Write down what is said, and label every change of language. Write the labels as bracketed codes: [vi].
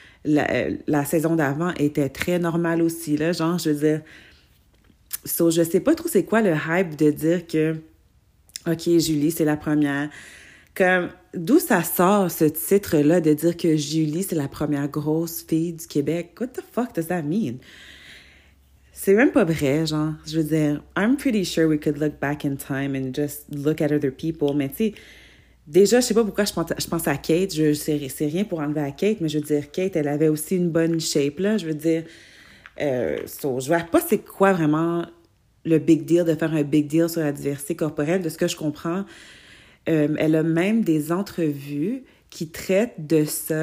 [fr] La saison d'avant était très normale aussi, là. Genre, je veux dire, So, je sais pas trop c'est quoi le hype de dire que, OK, Julie, c'est la première. Comme, d'où ça sort ce titre-là de dire que Julie, c'est la première grosse fille du Québec? [en] What the fuck does that mean? [fr] C'est même pas vrai, genre. Je veux dire, [en] I'm pretty sure we could look back in time and just look at other people. [fr] Mais tu sais, déjà, je sais pas pourquoi je pense à Kate. C'est rien pour enlever à Kate, mais je veux dire, Kate, elle avait aussi une bonne shape, là. Je veux dire, so, je vois pas c'est quoi vraiment le big deal de faire un big deal sur la diversité corporelle. De ce que je comprends, elle a même des entrevues qui traitent de ça.